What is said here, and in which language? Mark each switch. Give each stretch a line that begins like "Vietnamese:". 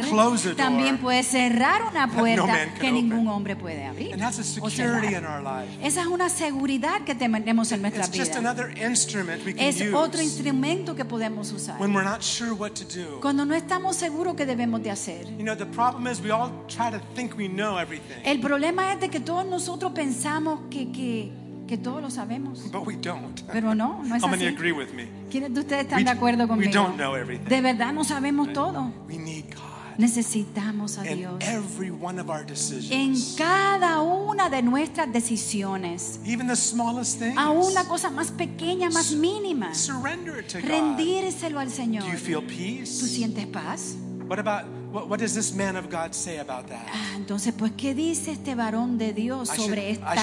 English: And he can close a door.
Spanish: También puede cerrar una puerta que ningún hombre puede abrir.
English: And that's a security in our life.
Spanish: Esa es una seguridad que tenemos en nuestra vida.
English: It's just another instrument we can
Spanish: use. Es otro instrumento que podemos usar.
English: When we're not sure what to do.
Spanish: Cuando no estamos seguros qué debemos de hacer.
English: You know, the problem is we all try to think we know everything.
Spanish: El problema es de que todos nosotros pensamos que todos lo sabemos.
English: But we don't.
Spanish: Pero no, no es
English: How How many agree with me?
Spanish: ¿Quiénes de ustedes están de acuerdo conmigo?
English: We don't know everything.
Spanish: De verdad no sabemos todo.
English: We need God.
Spanish: Necesitamos a Dios.
English: In every one of our decisions.
Spanish: En cada una de nuestras decisiones.
English: Even the smallest things.
Spanish: Aún la cosa más pequeña, más mínima.
English: Surrender it to God.
Spanish: Rendírselo al Señor.
English: Do you feel peace?
Spanish: ¿Tú sientes paz?
English: What does this man of God say about that?
Spanish: Entonces, pues, ¿qué dice este varón de Dios sobre esta cosa?